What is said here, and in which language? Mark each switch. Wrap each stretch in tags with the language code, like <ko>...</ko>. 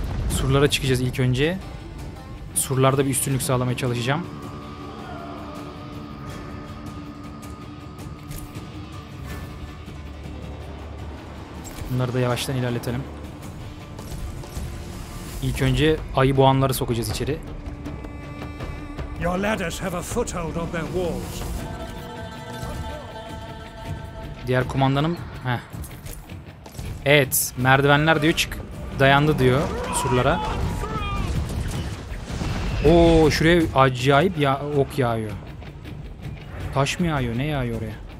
<tr>Surlara çıkacağız ilk önce. Surlarda bir üstünlük sağlamaya çalışacağım. Bunları da yavaştan ilerletelim. İlk önce ayı boğanları sokacağız içeri.</tr> <en>Your ladders have a foothold on their walls.</en> <tr>Diğer kumandanım, evet, merdivenler diyor çık, dayandı diyor surlara. Oo, şuraya acayip ya ok yağıyor. Taş mı yağıyor, ne yağıyor oraya?</tr>